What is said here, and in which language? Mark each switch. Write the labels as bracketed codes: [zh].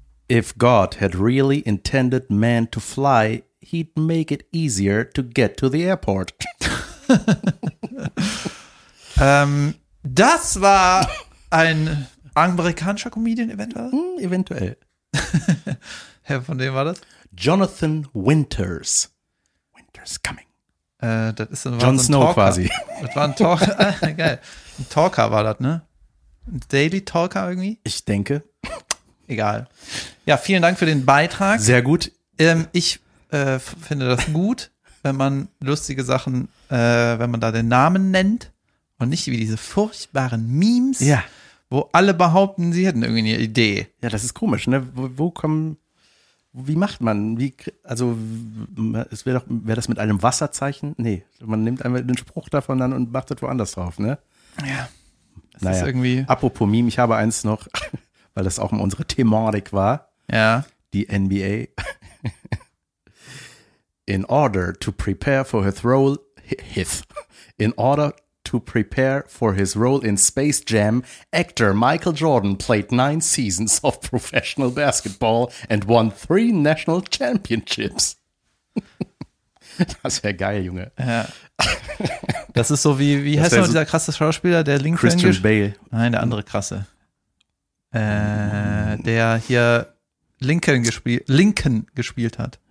[en] If God had really intended man to fly, he'd make it easier to get to the airport. [de] Das war ein amerikanischer Comedian eventuell? Eventuell. Von wem war das? [en] Jonathan Winters. Winter's coming. [de] Das ist ein Jon Snow Talker. Quasi. Das war ein Talker. Geil. Ein Talker war das, ne? Ein Daily Talker irgendwie? Ich denke. Egal. Ja, vielen Dank für den Beitrag. Sehr gut. Ich finde das gut, wenn man lustige Sachen, wenn man da den Namen nennt und nicht wie diese furchtbaren Memes, ja, wo alle behaupten, sie hätten irgendwie eine Idee. Ja, das ist komisch, ne? Wo kommen, wie macht man, wie, also es wäre doch, wäre das mit einem Wasserzeichen? Nee, man nimmt einfach den Spruch davon an und macht das woanders drauf, ne? Ja, es naja, ist irgendwie. Apropos Meme, ich habe eins noch, weil das auch unsere Thematik war. Ja. Die NBA. [en] In order to prepare for his role, in order to prepare for his role in Space Jam, actor Michael Jordan played 9 seasons of professional basketball and won 3 national championships. [de] Das wäre geil, Junge. Ja. Das ist so wie, wie heißt noch so dieser krasse Schauspieler, der Link Christian Bale. Nein, der andere krasse. Der hier Lincoln gespielt hat.